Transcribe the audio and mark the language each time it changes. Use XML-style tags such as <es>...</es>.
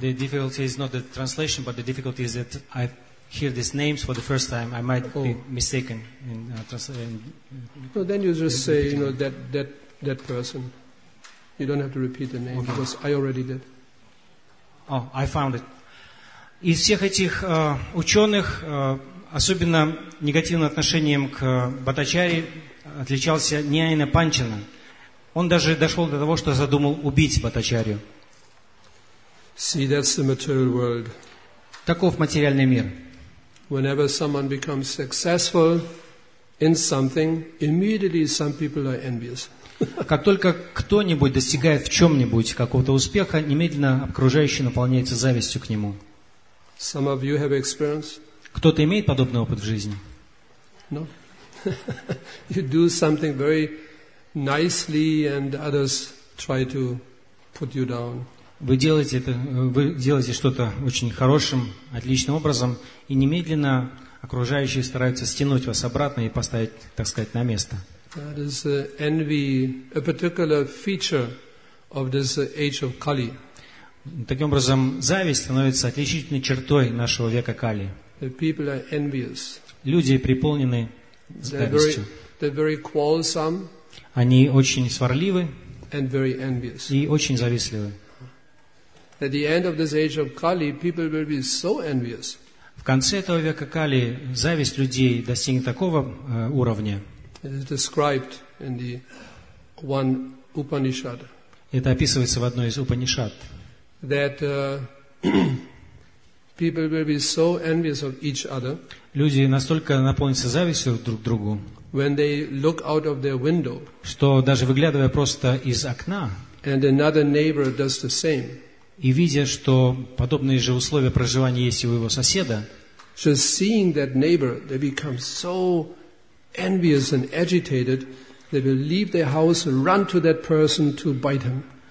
<en>The difficulty is not the translation, but the difficulty is that I hear these names for the first time. I might be mistaken in translation. No, then you just say, you know, that person. You don't have to repeat the name, because I already did. Oh, I found it.</en> <ru>Из всех этих ученых, особенно негативным отношением к Бхаттачарье отличался Ньяйна Панчана. Он даже дошел до того, что задумал убить Бхаттачарью.</ru> <en>See, that's the material world.</en> <ru>Таков материальный мир.</ru> <en>Whenever someone becomes successful in something, immediately some people are envious.</en> <ru>Как только кто-нибудь достигает в чем-нибудь какого-то успеха, немедленно окружающие наполняются завистью к нему.</ru> <en>Some of you have experience?</en> <ru>Кто-то имеет подобный опыт в жизни?</ru> <en>No. You do something very nicely, and others try to put you down.</en> <ru>Вы делаете что-то очень хорошим, отличным образом, и немедленно окружающие стараются стянуть вас обратно и поставить, так сказать, на место.</ru> <en>That is envy, a particular feature of this age of Kali.</en> <ru>Таким образом, зависть становится отличительной чертой нашего века Кали.</ru> <en>People are envious.</en> <ru>Люди преполнены завистью.</ru> <en>They're very quarrelsome.</en> <ru>Они очень сварливы.</ru> <en>And very envious.</en> <ru>И очень завистливы.</ru> <en>At the end of this age of Kali, people will be so envious.</en> <ru>В конце этого века Кали зависть людей достигнет такого уровня.</ru> <en>It is described in the one Upanishad.</en> <ru>Это описывается в одной из Упанишад.</ru> <en>That people will be so envious of each other.</en> <ru>Люди настолько наполнятся завистью друг к другу.</ru> <en>When they look out of their window.</en> <ru>Что даже выглядывая просто из окна.</ru> <en>And another neighbor does the same.</en> <ru>И видя, что подобные же условия проживания есть и у его соседа.</ru> <en>Just seeing that neighbor, they become so envious and agitated. They will leave their house and run to that person to bite him.</en>